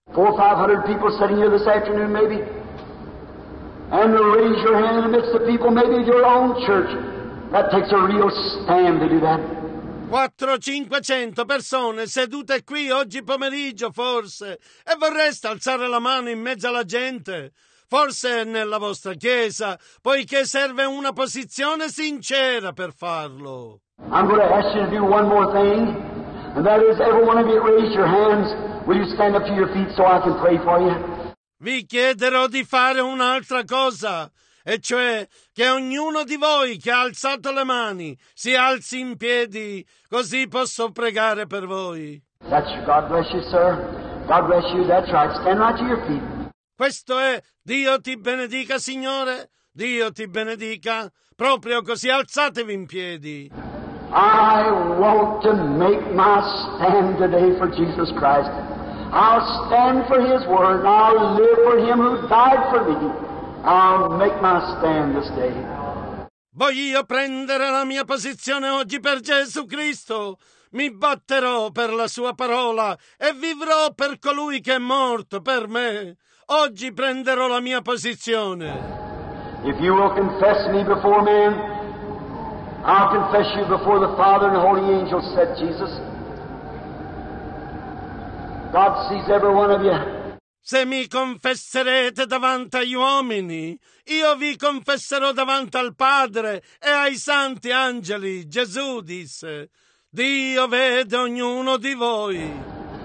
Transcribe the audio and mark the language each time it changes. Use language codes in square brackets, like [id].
[en] 400-500 people sitting here this afternoon, maybe. And to raise your hand amidst the people, maybe your own church. That takes a real stand to do that. [it] 400-500 persone sedute qui oggi pomeriggio, forse, e vorreste alzare la mano in mezzo alla gente, forse nella vostra chiesa, poiché serve una posizione sincera per farlo. [en] I'm going to ask you to do one more thing, and that is, every one of you raise your hands, will you stand up to your feet so I can pray for you? [it] Vi chiederò di fare un'altra cosa, e cioè che ognuno di voi che ha alzato le mani si alzi in piedi, così posso pregare per voi. [en] That's you. God bless you, sir. God bless you. That's right. Stand right to your feet. [it] Questo è Dio ti benedica, Signore. Dio ti benedica. Proprio così, alzatevi in piedi. [en] I want to make my stand today for Jesus Christ. I'll stand for His word. I'll live for Him who died for me. I'll make my stand this day. [it] Voglio prendere la mia posizione oggi per Gesù Cristo. Mi batterò per la Sua parola e vivrò per colui che è morto per me. Oggi prenderò la mia posizione. [en] If you will confess me before men, I'll confess you before the Father and the Holy Angels, said Jesus. God sees every one of you. [it] Se mi confesserete davanti agli uomini, io vi confesserò davanti al Padre e ai santi angeli. Gesù disse, Dio vede ognuno di voi.